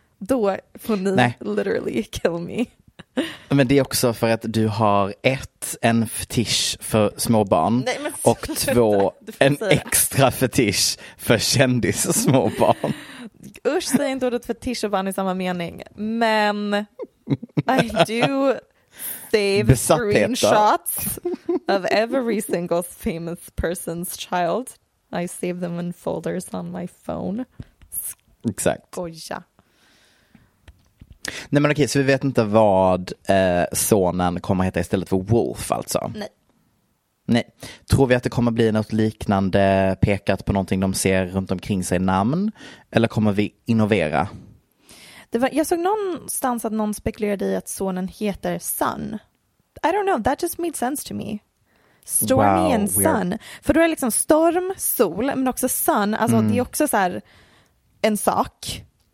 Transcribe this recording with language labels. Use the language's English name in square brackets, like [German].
[Swedish] Då får ni Nej. [English] Literally kill me. [Swedish] Men det är också för att du har ett, en fetisch för småbarn. Nej, men, och två, en extra fetisch för kändis och småbarn. Usch, säg inte ordet fetisch och barn i samma mening. Men [English] I do save screenshots of every single famous person's child. I save them in folders on my phone. [Swedish] Exakt. Oja. Nej, men okej, så vi vet inte vad sonen kommer heta istället för Wolf, alltså. Nej. Nej. Tror vi att det kommer bli något liknande pekat på någonting de ser runt omkring sig namn? Eller kommer vi innovera? Jag såg någonstans att någon spekulerade i att sonen heter Son. [English] I don't know, that just made sense to me. Stormy and Son. [Swedish] För då är det liksom storm, sol, men också Son. Alltså, det är också så här en sak.